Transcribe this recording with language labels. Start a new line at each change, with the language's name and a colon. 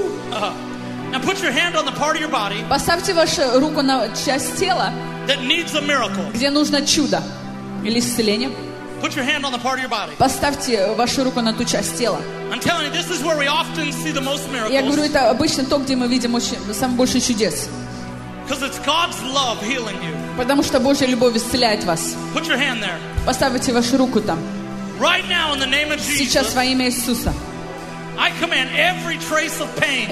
English: Now put your hand on the part of your body,
Russian: поставьте вашу руку на часть тела,
English: that needs a miracle,
Russian: где нужно чудо или исцеление.
English: Put your hand on the part of your body.
Russian: Поставьте вашу руку на ту часть тела.
English: I'm telling you, this is where we often see the most miracles.
Russian: Я говорю, это обычно то, где мы видим самое больше чудес.
English: Because it's God's love healing you.
Russian: Потому что Божья любовь исцеляет вас.
English: Put your hand there.
Russian: Поставьте вашу руку там.
English: Right now, in the name of Jesus.
Russian: Сейчас во имя Иисуса.
English: I command every trace of pain.